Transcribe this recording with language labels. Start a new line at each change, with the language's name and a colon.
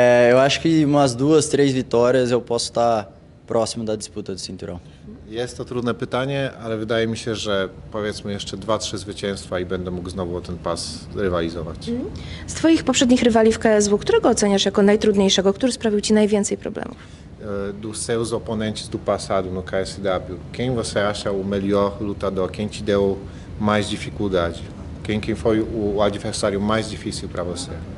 Portuguese: yo acho que umas 2-3 victorias yo posso estar próximo da disputa de cinturón.
Polish: Jest to trudne pytanie, ale wydaje mi się, że powiedzmy jeszcze 2-3 zwycięstwa i będę mógł znowu o ten pas rywalizować. Z twoich poprzednich rywali w KSW, którego oceniasz jako najtrudniejszego, który sprawił ci najwięcej problemów?
Portuguese: Dos seus oponentes do passado no KSW, quem você acha o melhor lutador? Quem te deu mais dificuldade? Quem foi o adversário mais difícil para você?